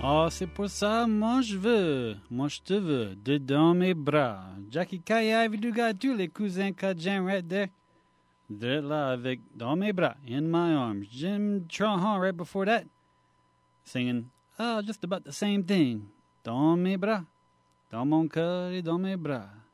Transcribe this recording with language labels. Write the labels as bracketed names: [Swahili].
[French] C'est pour ça, moi je te veux, dedans mes bras. Jackie Kaya, Viduga, tous les cousins Kajan, [English] right there. [French] They're là avec dans mes bras, [English] in my arms. Jim Trahan, right before that, singing, oh, just about the same thing. [French] Dans mes bras, dans mon cœur et dans mes bras.